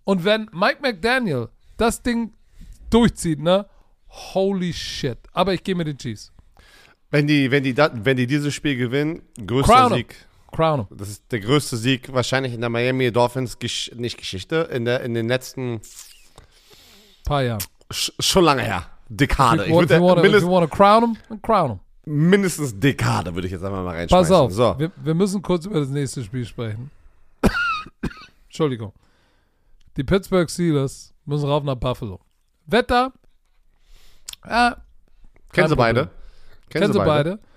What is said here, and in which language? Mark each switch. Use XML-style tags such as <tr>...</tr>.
<de>Und wenn Mike McDaniel das Ding durchzieht, ne?</de> <en>Holy shit.</en> <de>Aber ich gehe mit den Chiefs. Wenn die dieses Spiel gewinnen, größter</de> <en>Crown</en> <de>Sieg.</de> <en>Crown.</en> <de>Das ist der größte Sieg wahrscheinlich in der Miami Dolphins, nicht Geschichte, in den letzten paar Jahren. Schon lange her. Dekade.</de> <en>If you want to crown them, crown them.</en> <de>Mindestens Dekade, würde ich jetzt einfach mal reinschmeißen. Pass auf, so. Wir müssen kurz über das nächste Spiel sprechen. Entschuldigung. Die Pittsburgh Steelers müssen rauf nach Buffalo. Wetter? Ja. Kennen sie beide.</de>